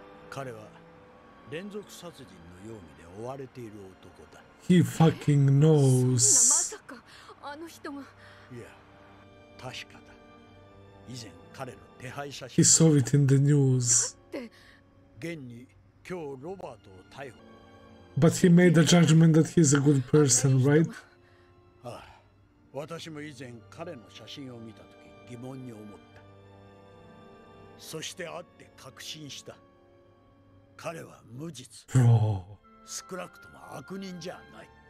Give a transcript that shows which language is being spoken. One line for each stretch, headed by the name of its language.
Japanese: 彼は連続殺人の容疑で追われている男だ。
English: He fucking knows。
Japanese: そんなまさかあの人が。いや、確かだ。以前彼の手配写真。
English: He saw it in the news。
Japanese: だって、現に今日ロバートを逮捕。
English: But he made a judgment that he's a good person, right?
Japanese: 私も以前彼の写真を見たとき疑問に思った。そして会って確信した。彼は無実。少なくとも悪人じゃない。